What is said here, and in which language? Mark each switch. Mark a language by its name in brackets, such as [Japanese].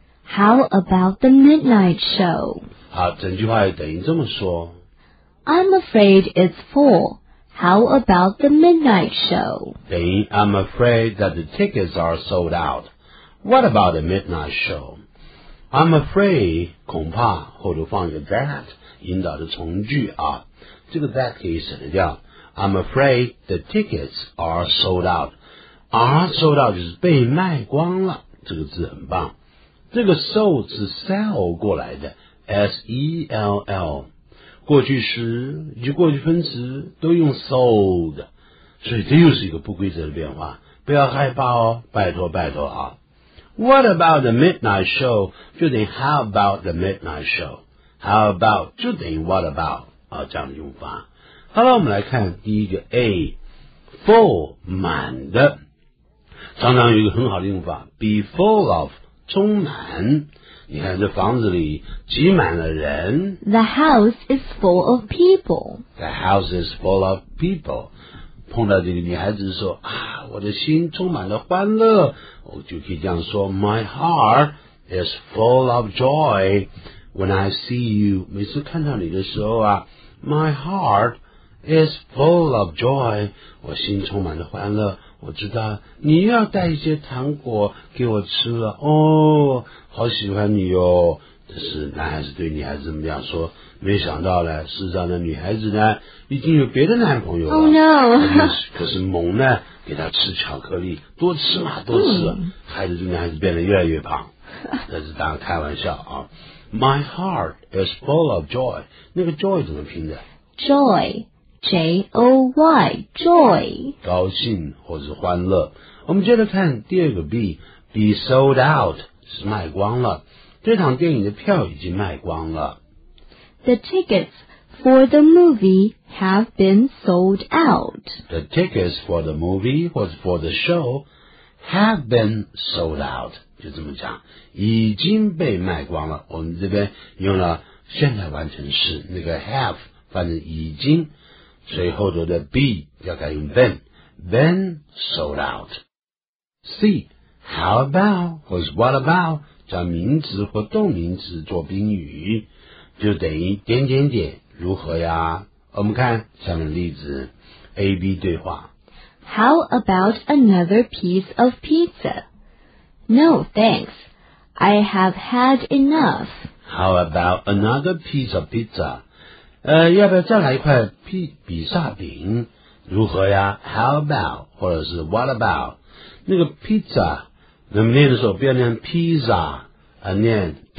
[English] How about the midnight show? [Chinese] 好，整句话也等于这么说。 [English] I'm afraid it's full. How about the midnight show? 等于 I'm afraid that the tickets are sold out. What about the midnight show? I'm afraid, [Chinese] 恐怕，后头放一个 that, 引导的从句啊。这个 that 可以省得掉。 [English] I'm afraid the tickets are sold out. Are sold out [Chinese] 就是被卖光了，这个字很棒。这个 sold 是 sell 过来的 ,S-E-L-L, 过去时以及过去分词都用 sold, 所以这又是一个不规则的变化，不要害怕哦，拜托拜托啊。 [English] What about the midnight show? 就等于 how about the midnight show? How about? [Chinese] 就等于 what about? 啊，这样的用法。好了，我们来看第一个 A, full, 满的。常常有一个很好的用法 , [English] be full of, [Chinese] 充满，你看这房子里挤满了人。 [English] The house is full of people. The house is full of people. [Chinese] 碰到这个女孩子说啊，我的心充满了欢乐，我就可以这样说 ， [English] My heart is full of joy when I see you. [Chinese] 每次看到你的时候啊 ， [English] My heart is full of joy. [Chinese] 我心充满了欢乐。我知道你要带一些糖果给我吃了哦，好喜欢你哦。这是男孩子对女孩子这么样说，没想到呢，事实上的女孩子呢已经有别的男朋友了。 [English] Oh no！ [Chinese] 可是猛呢给他吃巧克力，多吃嘛多吃，孩子这女孩子变得越来越胖。这是当然开玩笑啊。 [English] My heart is full of joy。 [Chinese] 那个 joy 怎么拼的 [English] ？Joy。 J-O-Y, joy. [Chinese] 高兴或是欢乐。我们接着看第二个 B, [English] be sold out, [Chinese] 是卖光了。这场电影的票已经卖光了。 [English] The tickets for the movie have been sold out. The tickets for the movie or for the show have been sold out. [Chinese] 就这么讲，已经被卖光了。我们这边用了现在完成式，那个 have 反正已经，所以后头的 be 要改用 been。 [English] Been sold out. C. [Chinese] How about 或是 What about 叫名词或动名词做宾语，就等于点点点如何呀？我们看下面例子 ，A B 对话。 [English] How about another piece of pizza? No, thanks. I have had enough. How about another piece of pizza? [Chinese] 要不要再来一块比萨饼？如何呀 ？How about 或者是 What about 那个 pizza？那么念的时候不要念 pizza， 啊念